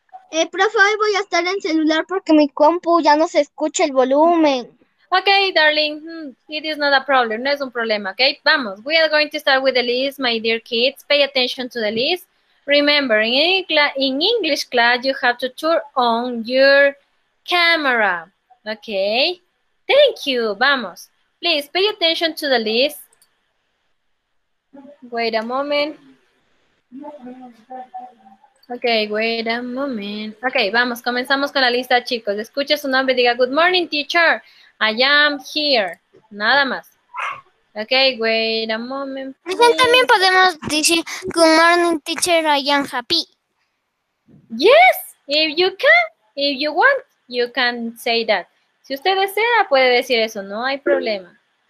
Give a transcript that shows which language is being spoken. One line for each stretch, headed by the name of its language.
Spanish: Profe, hoy voy a estar en celular porque mi compu ya no se escucha el volumen.
English: Ok, darling, it is not a problem,
Spanish: no es un problema,
English: ok? Vamos, we are going to start with the list, my dear kids, pay attention to the list. Remember, in English class, you have to turn on your camera, ok? Thank you, vamos. Please, pay attention to the list. Wait a moment. Ok, wait a moment.
Spanish: Ok, vamos, comenzamos con la lista, chicos. Escuche su nombre, diga,
English: good morning, teacher. I am here.
Spanish: Nada más.
English: Ok, wait a moment. Please.
Spanish: También podemos decir,
English: good morning, teacher, I am happy. Yes, if you can, if you want, you can say that.
Spanish: Si usted desea, puede decir eso, no hay problema.